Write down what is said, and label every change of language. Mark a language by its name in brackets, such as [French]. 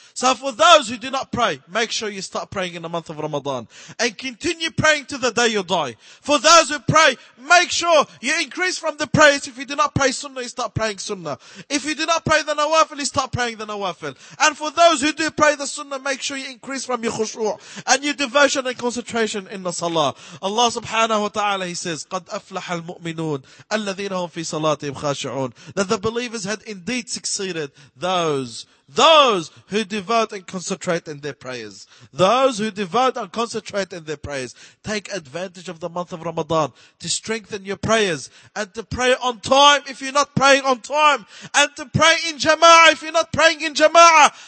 [English] So for those who do not pray, make sure you start praying in the month of Ramadan and continue praying to the day you die. For those who pray, make sure you increase from the prayers. If you do not pray Sunnah, you start praying Sunnah. If you do not pray the Nawafil, you start praying the Nawafil. And for those who do pray the Sunnah, make sure you increase from your khushu' and your devotion and concentration in the Salah. [Arabic] Allah subhanahu wa ta'ala, [English] He says, [Arabic] قَدْ أَفْلَحَ الْمُؤْمِنُونَ الَّذِينَ هُمْ فِي صَلَاتِهِمْ خَاشِعُونَ. [English] believers had indeed succeeded. Those who devote and concentrate in their prayers. Those who devote and concentrate in their prayers. Take advantage of the month of Ramadan to strengthen your prayers. And to pray on time if you're not praying on time. And to pray in jama'ah if you're not praying in jama'ah.